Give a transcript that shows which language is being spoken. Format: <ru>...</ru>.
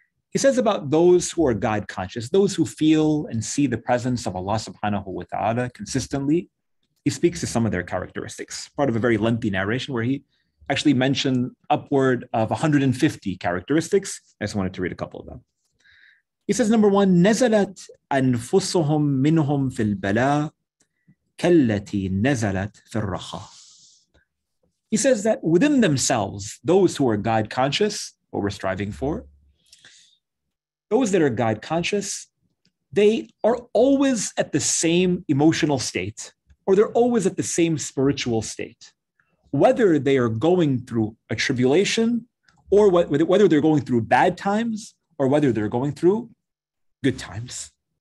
<en>He says about those who are God conscious, those who feel and see the presence of Allah subhanahu wa ta'ala consistently. He speaks to some of their characteristics, part of a very lengthy narration where he actually mentioned upward of 150 characteristics. I just wanted to read a couple of them. He says, number one,</en> <ar>نَزَلَتْ أَنفُسُهُمْ مِنْهُمْ فِي الْبَلَىٰ كَلَّتِي نَزَلَتْ فِي الرَّخَىٰ.</ar> <en>He says that within themselves, those who are God conscious, what we're striving for, those that are God conscious, they are always at the same emotional state, or they're always at the same spiritual state, whether they are going through a tribulation, or whether they're going through bad times, or whether they're going through good times.</en>